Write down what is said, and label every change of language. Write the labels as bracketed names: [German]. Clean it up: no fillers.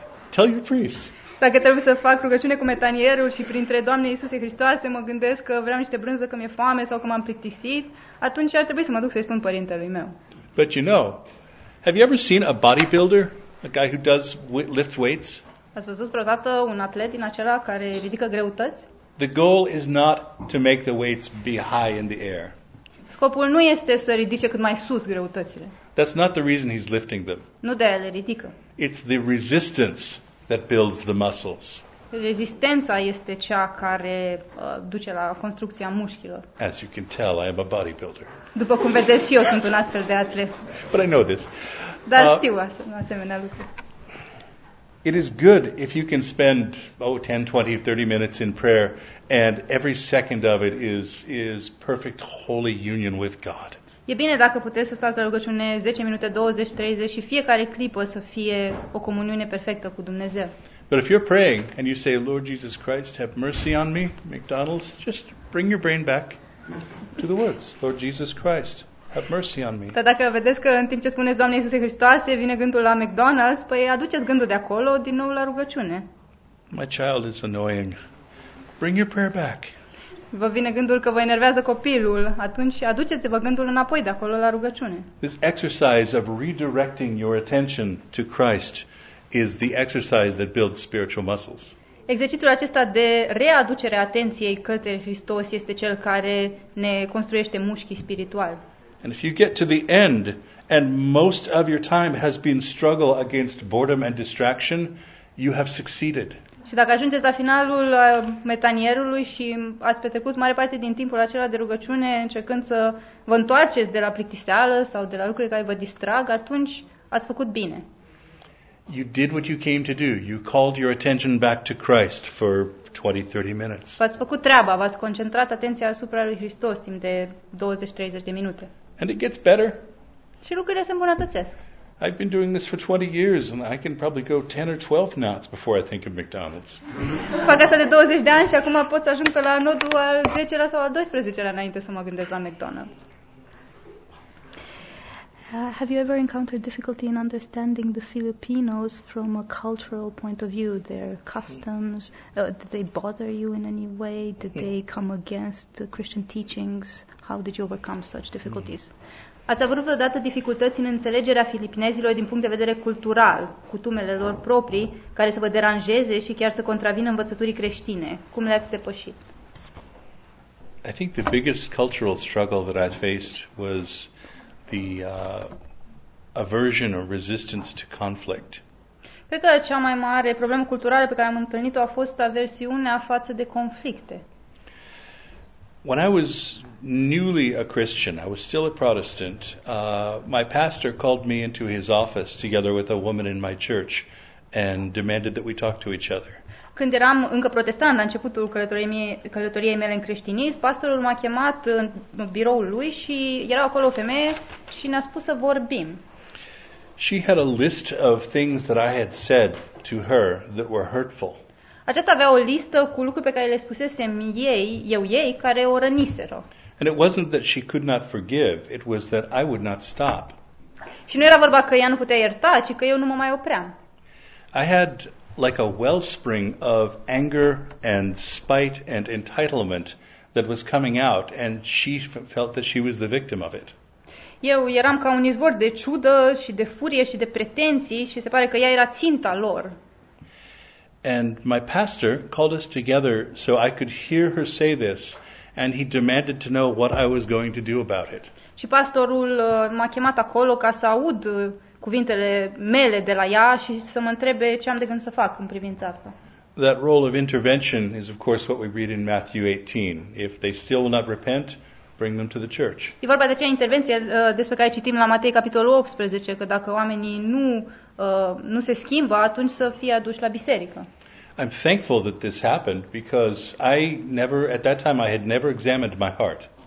[English] Tell your priest. [Romanian] Dacă trebuie să fac rugăciune cu metanierul și printre Doamne Iisuse Hristoase mă gândesc că vreau niște brânză, că mi-e foame sau că m-am plictisit, atunci ar trebui să mă duc să-i spun părintelui meu. [English] But you know, have you ever seen a bodybuilder, a guy who does lifts weights? [Romanian] Ați văzut vreodată un atlet din acela care ridică greutăți? [English] The goal is not to make the weights be high in the air. [Romanian] Scopul nu este să ridice cât mai sus greutățile. [English] That's not the reason he's lifting them. [Romanian] Nu de aia le ridică. [English] It's the resistance that builds the muscles. [Romanian] Rezistența este cea care duce la construcția mușchilor. [English] As you can tell, I am a bodybuilder. [Romanian] După cum vedeți, eu sunt un astfel de atlet. [English] But I know this. [Romanian] Dar știu asemenea lucru. [English] It is good if you can spend 10, 20, 30 minutes in prayer and every second of it is perfect holy union with God. [Romanian] E bine dacă puteți să stați la rugăciune 10 minute, 20, 30 și fiecare clipă să fie o comuniune perfectă cu Dumnezeu. [English] But if you're praying and you say, Lord Jesus Christ, have mercy on me, McDonald's, just bring your brain back to the words, Lord Jesus Christ. Have mercy on me. [Romanian] Dar dacă vedeți că în timp ce spuneți Doamne Iisuse Hristoase vine gândul la McDonald's, păi aduceți gândul de acolo din nou la rugăciune. [English] My child is annoying. Bring your prayer back. [Romanian] Vă vine gândul că vă enervează copilul, atunci aduceți-vă gândul înapoi de acolo la rugăciune. [English] This exercise of redirecting your attention to Christ is the exercise that builds spiritual muscles. [Romanian] Exercițiul acesta de readucere a atenției către Hristos este cel care ne construiește mușchii spirituali. [English] And if you get to the end and most of your time has been struggle against boredom and distraction, you have succeeded. [Romanian] Și dacă ajungeți la finalul metanierului și ați petrecut mare parte din timpul acela de rugăciune încercând să vă întoarceți de la plictiseală sau de la lucruri care vă distrag, atunci ați făcut bine. [English] You did what you came to do. You called your attention back to Christ for 20-30 minutes. [Romanian] V-ați făcut treaba, v-ați concentrat atenția asupra lui Hristos timp de 20-30 de minute. [English] And it gets better. [Romanian] Și lucrurile se îmbunătățesc. [English] I've been doing this for 20 years and I can probably go 10 or 12 knots before I think of McDonald's. [Romanian] Fac asta de 20 de ani și acum pot să ajung pe la nodul al 10-lea sau al 12-lea înainte să mă gândesc la McDonald's. [English] Have you ever encountered difficulty in understanding the Filipinos from a cultural point of view, their customs? Did they bother you in any way? Did they come against the Christian teachings? How did you overcome such difficulties? [Romanian] Ați avut vreodată dificultăți în înțelegerea filipinezilor din punct de vedere cultural, cutumele lor proprii, care să vă deranjeze și chiar să contravină învățăturii creștine? Cum le-ați depășit? [English] I think the biggest cultural struggle that I faced was the aversion or resistance to conflict. [Romanian] Cred că cea mai mare problemă culturală pe care am întâlnit-o a fost aversiunea față de conflicte. [English] When I was newly a Christian, I was still a Protestant, my pastor called me into his office together with a woman in my church and demanded that we talk to each other. [Romanian] Când eram încă protestant, la începutul călătoriei mele în creștinism, pastorul m-a chemat în biroul lui și era acolo o femeie și ne-a spus să vorbim. [English] She had a list of things that I had said to her that were hurtful. [Romanian] Aceasta avea o listă cu lucruri pe care le spusesem ei, care o răniseră. [English] And it wasn't that she could not forgive, it was that I would not stop. [Romanian] Și nu era vorba că ea nu putea ierta, ci că eu nu mă mai opream. [English] I had like a wellspring of anger and spite and entitlement that was coming out and she felt that she was the victim of it. [Romanian] Eu eram ca un izvor de ciudă și de furie și de pretenții și se pare că ea era ținta lor. [English] And my pastor called us together so I could hear her say this and he demanded to know what I was going to do about it. [Romanian] Și pastorul m-a chemat acolo ca să aud cuvintele mele de la ea și să mă întrebe ce am de gând să fac în privința asta. [English] That role of intervention is of course what we read in Matthew 18. If they still will not repent, bring them to the church. [Romanian] E vorba de acea intervenție despre care citim la Matei capitolul 18, că dacă oamenii nu se schimbă, atunci să fie aduși la biserică. [English] I'm thankful that this happened because I never at that time I had never examined my heart.